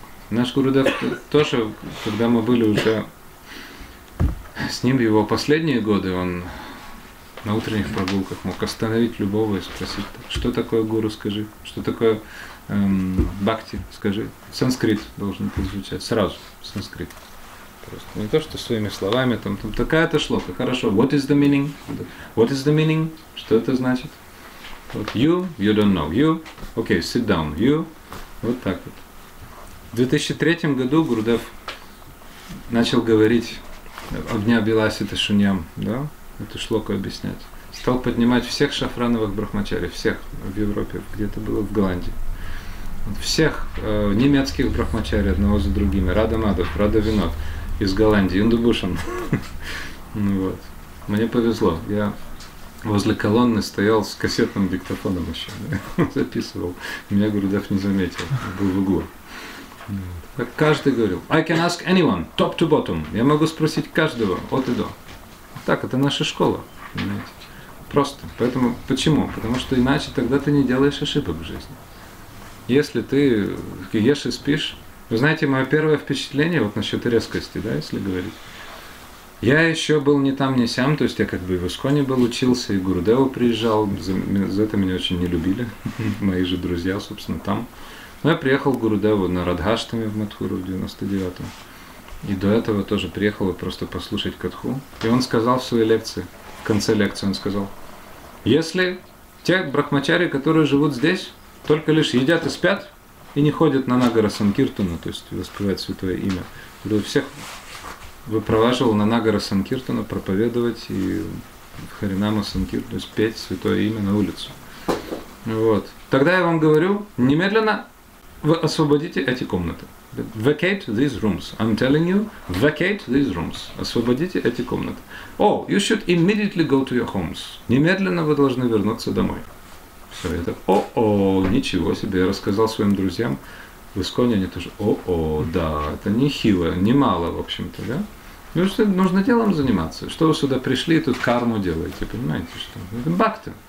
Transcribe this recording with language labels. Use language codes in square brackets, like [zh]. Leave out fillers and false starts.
[ru] Наш Гурудев тоже, когда мы были уже с ним в его последние годы, он на утренних прогулках мог остановить любого и спросить, что такое гуру, скажи, что такое бхакти, скажи. Санскрит должен прозвучать, сразу санскрит. Просто не то, что своими словами, там такая-то шлока, хорошо, [en] what is the meaning, [ru] what is the meaning, что это значит? Вот [en] you don't know, you, okay, sit down, you, [ru] вот так вот. В 2003 году Гурудев начал говорить огня Биласита Шуньям, да, эту шлоку объяснять. Стал поднимать всех шафрановых брахмачари, всех в Европе, где-то было в Голландии. Вот всех немецких брахмачари одного за другими, Рада Мадов, Рада Винот из Голландии, Индубушан. Ну вот, мне повезло, я... Возле колонны стоял с кассетным диктофоном еще, да? Записывал. Меня Гурудев не заметил, был в углу. Так каждый говорил, [en] I can ask anyone, top to bottom. [ru] Я могу спросить каждого, от и до. Так, это наша школа, понимаете? Просто. Поэтому, почему? Потому что иначе тогда ты не делаешь ошибок в жизни. Если ты ешь и спишь... Вы знаете, мое первое впечатление вот насчет резкости, да, если говорить. Я еще был не там, не сям, то есть я как бы и в Исконе был, учился, и Гурудеву приезжал, за это меня очень не любили, мои же друзья, собственно, там. Но я приехал к Гурудеву на Радхаштами в Матхуру в 99-м, и до этого тоже приехал просто послушать катху. И он сказал в своей лекции, в конце лекции он сказал, если те брахмачари, которые живут здесь, только лишь едят и спят, и не ходят на Нагара Санкиртана, то есть воспевают святое имя, то всех... выпроваживал на Нагара Санкиртана проповедовать и Харинама Санкиртана, то есть петь святое имя на улицу. Вот. Тогда я вам говорю, немедленно вы освободите эти комнаты. [en] Vacate these rooms. I'm telling you, vacate these rooms. [ru] Освободите эти комнаты. [en] Oh, you should immediately go to your homes. [ru] Немедленно вы должны вернуться домой. Все это. О-о, ничего себе. Я рассказал своим друзьям, В Исконе они тоже, да, это нехило, немало, в общем-то, да? Ну что, нужно делом заниматься. Что вы сюда пришли, тут карму делаете, понимаете, что? Это бхакти.